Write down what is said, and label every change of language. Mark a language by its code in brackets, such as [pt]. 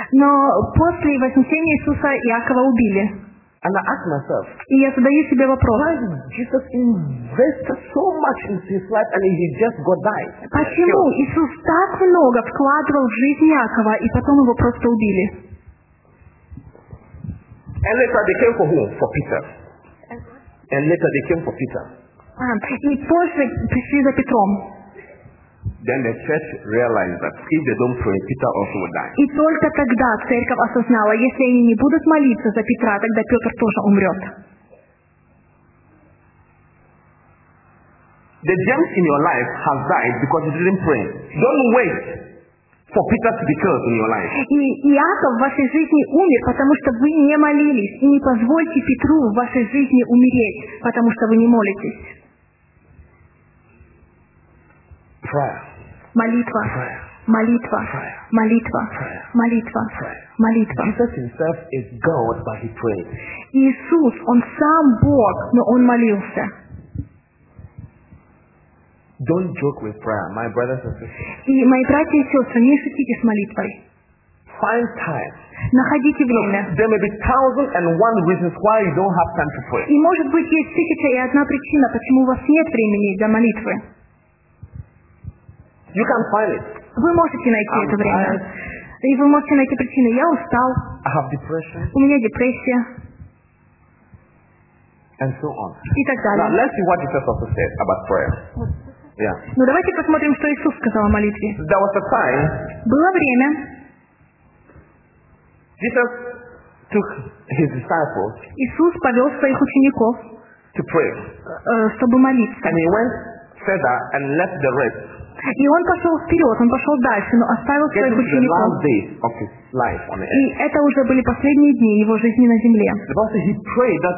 [ru] Но после вознесения Иисуса Якова убили. [en] And I ask myself, [ru] и я задаю себе вопрос, [en] why Jesus invested so much in his life and he just got died? [ru] Почему Иисус так много вкладывал в жизнь Якова и потом его просто убили? [en] And later they came for whom? For Peter. And later they came for Peter. [ru] И позже пришли за Петром. [en] Then the church realized that if they don't pray, Peter also will die. [ru] И только тогда церковь осознала, если они не будут молиться за Петра, тогда Петр тоже умрет. [en] The gems in your life have died because you didn't pray. Don't wait for Peter to be killed in your life. [ru] И Иаков в вашей жизни умер, потому что вы не молились. И не позвольте Петру в вашей жизни умереть, потому что вы не молитесь. Молитва. Молитва. Молитва. Молитва. Молитва. [en] Jesus himself is God, but he prayed. [ru] Иисус, он сам Бог, но он молился. [en] Don't joke with prayer, my brothers and sisters. [ru] И мои братья и сестры, не шутите с молитвой. [en] Find time. [ru] Находите время. [en] There may be thousand and one reasons why you don't have time to pray. [ru] И может быть есть тысяча и одна причина, почему у вас нет времени для молитвы. [en] You can find it. [ru] Вы можете найти [en] I'm [ru] это время. [en] Tired. [ru] И вы можете найти причину. Я устал. [en] I have depression. [ru] У меня депрессия. [en] And so on. [ru] И так далее. [en] Now, let's see what Jesus also said about prayer. Yeah. [ru] Ну давайте посмотрим, что Иисус сказал о молитве. [en] There was a time. [ru] Было время. [en] Jesus took his disciples. [ru] Иисус повел своих учеников. [en] To pray. [ru] Чтобы молиться. [en] And he went further and left the rest. [ru] И он пошел вперед, он пошел дальше, но оставил своих учеников. И это уже были последние дни его жизни на земле.